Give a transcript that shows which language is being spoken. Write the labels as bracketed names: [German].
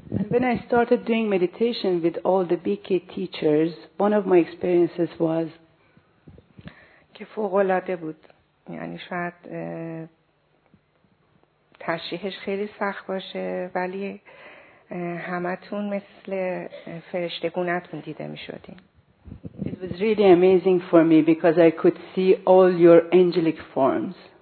[English] When I started doing meditation with all the BK teachers one of my experiences was [Persian] که فوق‌العاده بود یعنی شاید تشریحش خیلی سخت باشه ولی همه تون مثل فرشتگونتون دیده می شدیم [English] It was really amazing for me because I could see all your angelic forms.